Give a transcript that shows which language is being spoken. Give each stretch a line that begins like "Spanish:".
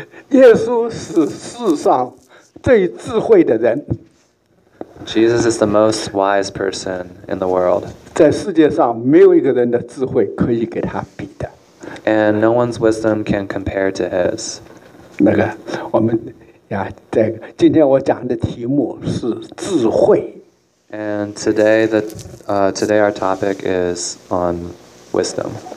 Chinese: 耶稣是世上最智慧的人。
English: Jesus is the most wise person in the world.
Chinese: 在世界上没有一个人的智慧可以给他比的。
English: And no one's wisdom can compare to his.
Chinese: 那个，我们呀，在今天我讲的题目是智慧。
English: And today, today our topic is on wisdom.